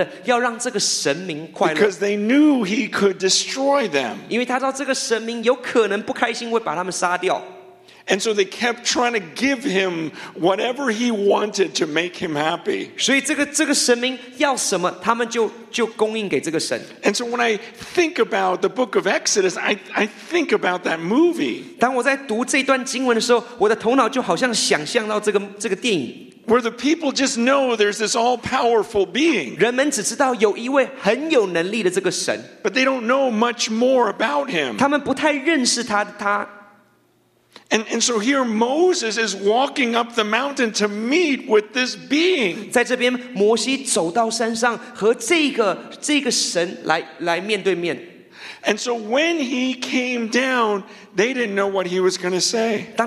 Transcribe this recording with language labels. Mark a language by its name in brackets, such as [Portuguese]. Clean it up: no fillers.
[Chinese] 那他们做尽了所有他们所能的，要让这个神明快乐。 [English] Because they knew he could destroy them. [Chinese] 因为他知道这个神明有可能不开心，会把他们杀掉。 [English] And so they kept trying to give him whatever he wanted to make him happy. [Chinese] 所以这个神明要什么，他们就供应给这个神。 [English] And so when I think about the book of Exodus, I think about that movie. [Chinese] 当我在读这段经文的时候，我的头脑就好像想象到这个电影。 [English] Where the people just know there's this all-powerful being. [Chinese] 人们只知道有一位很有能力的这个神。 [English] But they don't know much more about him. [Chinese] 他们不太认识他。 [English] And so here Moses is walking up the mountain to meet with this being. [Chinese] 在这边，摩西走到山上和这个神来面对面。 [English] And so when he came down, they didn't know what he was going to say.